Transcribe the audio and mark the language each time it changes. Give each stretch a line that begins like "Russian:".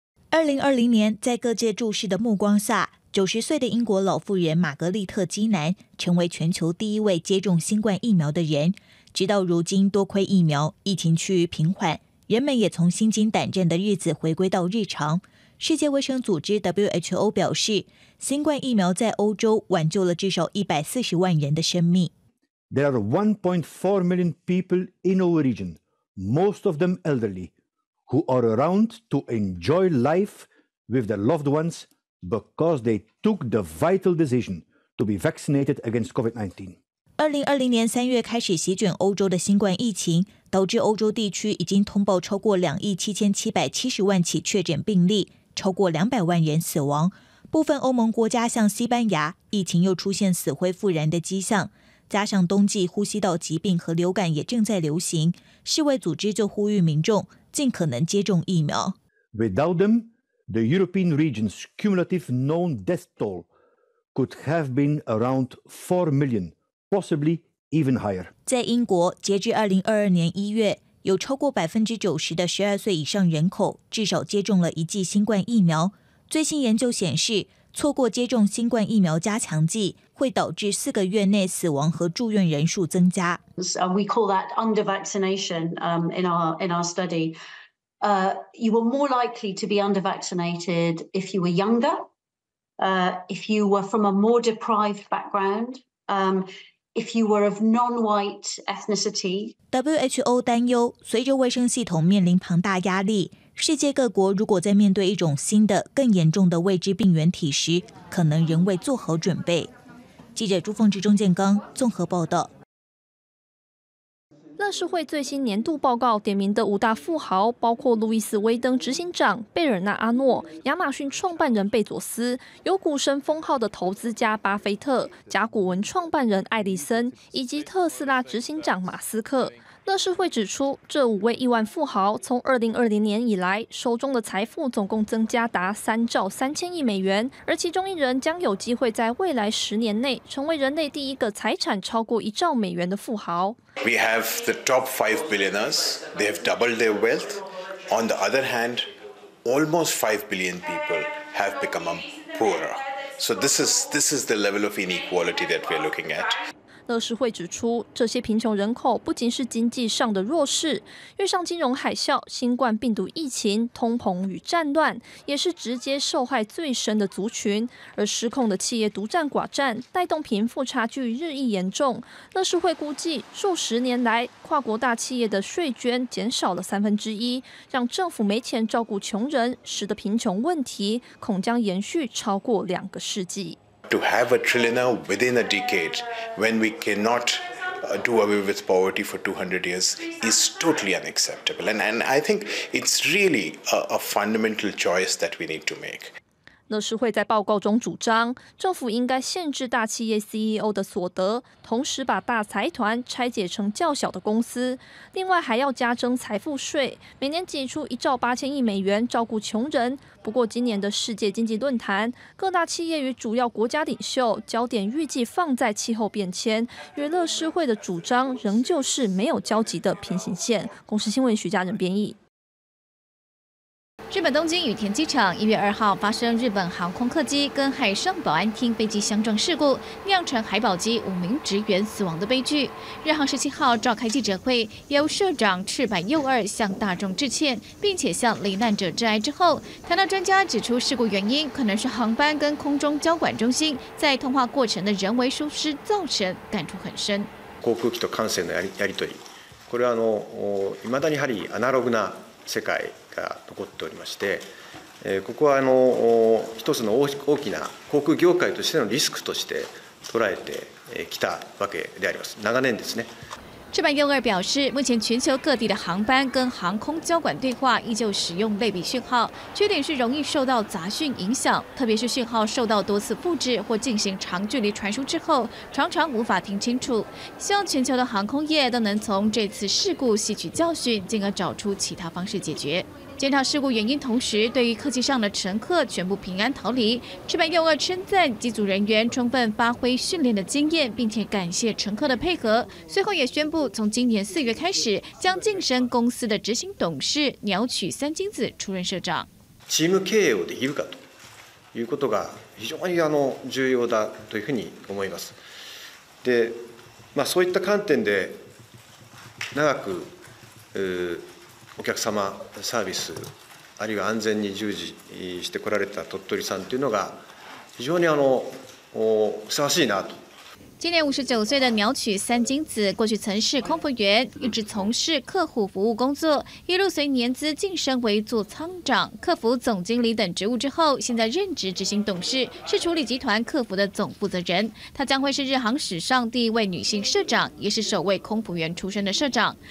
Chinese: 2020年，在各界注视的目光下，90岁的英国老妇人玛格丽特·基南成为全球第一位接种新冠疫苗的人。直到如今，多亏疫苗，疫情趋于平缓，人们也从心惊胆战的日子回归到日常。世界卫生组织 WHO 表示，新冠疫苗在欧洲挽救了至少140万人的生命。
English: There are 1.4 million people in our region, most of them elderly, who are around to enjoy life with their loved ones because they took the vital decision to be vaccinated against COVID-19.
Chinese: 2020年3月开始席卷欧洲的新冠疫情，导致欧洲地区已经通报超过2亿7770万起确诊病例，超过200万人死亡。部分欧盟国家像西班牙，疫情又出现死灰复燃的迹象。加上冬季呼吸道疾病和流感也正在流行，世卫组织就呼吁民众尽可能接种疫苗。
English: Without them, the European region's cumulative known death toll could have been around 4 million, possibly even higher.
Chinese: 在英国，截至2022年1月，有超过 90% 的12岁以上人口至少接种了一剂新冠疫苗。最新研究显示，错过接种新冠疫苗加强剂会导致四个月内死亡和住院人数增加。
English: We call that under vaccination in our study. You were more likely to be under vaccinated if you were younger, if you were from a more deprived background, if you were of non-white ethnicity.
Chinese: WHO 担忧，随着卫生系统面临庞大压力，世界各国如果在面对一种新的、更严重的未知病原体时，可能仍未做好准备。记者朱凤植、钟建刚综合报道。乐视会最新年度报告点名的五大富豪，包括路易斯·威登执行长、贝尔纳·阿诺、亚马逊创办人贝佐斯、有股神封号的投资家巴菲特、甲骨文创办人艾利森，以及特斯拉执行长马斯克。乐视会指出，这五位亿万富豪从2020年以来手中的财富总共增加达3兆3000亿美元，而其中一人将有机会在未来十年内成为人类第一个财产超过1兆美元的富豪。
English: We have the top 5 billionaires. They have doubled their wealth. On the other hand, almost 5 billion people have become poorer. So this is the level of inequality that we're looking at.
Chinese: 乐视会指出，这些贫穷人口不仅是经济上的弱势，遇上金融海啸、新冠病毒疫情、通膨与战乱，也是直接受害最深的族群。而失控的企业独占寡占，带动贫富差距日益严重。乐视会估计，数十年来，跨国大企业的税捐减少了1/3，让政府没钱照顾穷人，使得贫穷问题恐将延续超过2个世纪。
English: To have a trillionaire within a decade when we cannot do away with poverty for 200 years is totally unacceptable. And I think it's really a fundamental choice that we need to make.
Chinese: 乐视会在报告中主张，政府应该限制大企业 CEO 的所得，同时把大财团拆解成较小的公司，另外还要加征财富税，每年挤出1兆8000亿美元照顾穷人。不过今年的世界经济论坛，各大企业与主要国家领袖焦点预计放在气候变迁，与乐视会的主张仍旧是没有交集的平行线。公视新闻徐佳仁编译。日本东京羽田机场1月2号发生日本航空客机跟海上保安厅飞机相撞事故，酿成海保机5名职员死亡的悲剧。日航17号召开记者会，由社长赤坂佑二向大众致歉，并且向罹难者致哀之后，谈到专家指出事故原因可能是航班跟空中交管中心在通话过程的人为疏失造成，感触很深。
Japanese: 航空機と管制のやり取り、これは未だにやはりアナログな世界が残っておりまして、ここは一つの大きな航空業界としてのリスクとして捉えてきたわけであります。長年ですね。
Chinese: 赤坂佑二表示，目前全球各地的航班跟航空交管对话依旧使用类比讯号，缺点是容易受到杂讯影响，特别是讯号受到多次复制或进行长距离传输之后，常常无法听清楚。希望全球的航空业都能从这次事故吸取教训，进而找出其他方式解决。检查事故原因同时，对于客机上的乘客全部平安逃离，赤坂佑二称赞机组人员充分发挥训练的经验，并且感谢乘客的配合。随后也宣布，从今年4月开始，将晋升公司的执行董事鸟取三金子出任社长。
Japanese: チーム経営をできるかということが非常に重要だというふうに思います。で、まあ、そういった観点で長くお客様サービスあるいは安全に従事してこられた鳥取さんというのが非常にふさわしいなと。
Chinese: 今年59岁的鸟取三金子，过去曾是空服员，一直从事客户服务工作，一路随年资晋升为座舱长、客服总经理等职务之后，现在任职执行董事，是处理集团客服的总负责人。她将会是日航史上第一位女性社长，也是首位空服员出身的社长。